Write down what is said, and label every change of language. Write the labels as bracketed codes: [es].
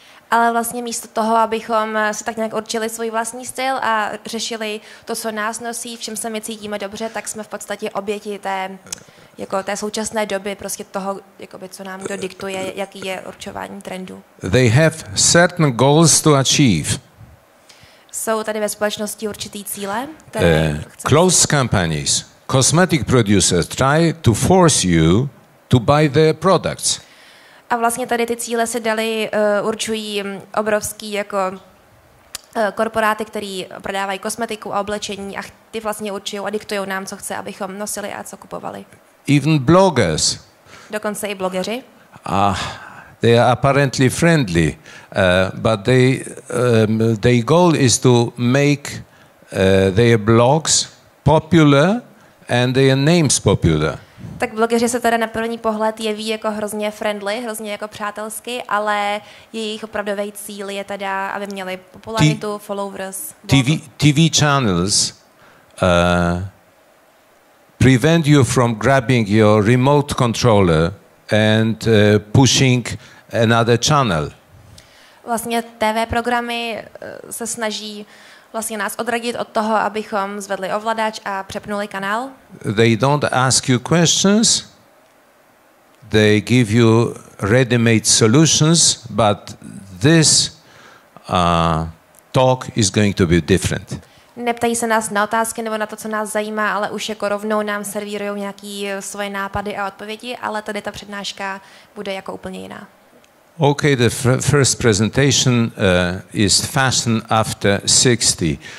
[cs] Ale vlastně místo toho, abychom se tak nějak určili svůj vlastní styl a řešili to, co nás nosí, v čem se my cítíme dobře, tak jsme v podstatě oběti té současné doby, prostě toho, jakoby, co nám kdo diktuje, jaký je určování trendu. [en] They have certain goals to achieve. [cs] Jsou tady ve společnosti určitý cíle? [en] Clothes companies, cosmetic producers try to force you to buy their products. [cs] A vlastně tady ty cíle se dali určují obrovský jako korporáty, který prodávají kosmetiku a oblečení a ty vlastně určují a diktují nám, co chce, abychom nosili a co kupovali. [en] even bloggers. [cs] Dokonce i blogeři. [en] They are apparently friendly, but their goal is to make their blogs popular and their names popular. [cs] Tak blogeři se teda na první pohled jeví jako hrozně friendly, hrozně jako přátelsky, ale jejich opravdový cíl je teda, aby měli popularitu, followers. [en] TV channels prevent you from grabbing your remote controller and pushing another channel. [cs] Vlastně TV programy se snaží vlastně nás odradit od toho, abychom zvedli ovladač a přepnuli kanál. [en] They don't ask you questions. They give you ready-made solutions, but this talk is going to be different. [cs] Neptají se nás na otázky nebo na to, co nás zajímá, ale už jako rovnou nám servírují nějaký svoje nápady a odpovědi, ale tady ta přednáška bude jako úplně jiná. [en] Okay, the first presentation is fasten after 60.